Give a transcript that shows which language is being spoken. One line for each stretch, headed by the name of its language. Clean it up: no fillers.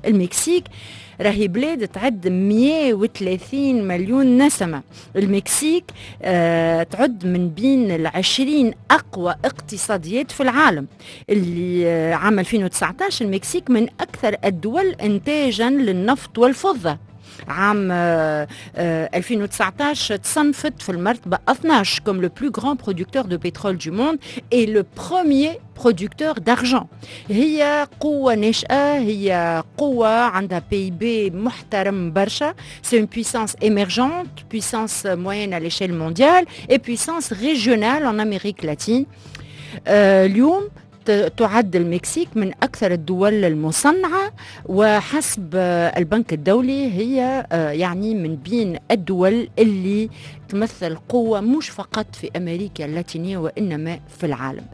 Arabic: المكسيك راهي بلاد تعد 130 مليون نسمة. المكسيك تعد من بين العشرين أقوى اقتصاديات في العالم. اللي عام 2019 المكسيك من أكثر الدول إنتاجا للنفط والفضة. عام 2019 تصنفت في المرتبة 12
French: comme le plus grand producteur de pétrole du monde et le premier producteur d'argent.
Arabic: هي قوة ناشئة، هي قوة عندها PIB محترم برشا.
French: C'est une puissance émergente, puissance moyenne à l'échelle mondiale et puissance régionale en Amérique latine.
Arabic: اليوم تعد المكسيك من أكثر الدول المصنعة، وحسب البنك الدولي هي يعني من بين الدول اللي تمثل قوة مش فقط في أمريكا اللاتينية وإنما في العالم.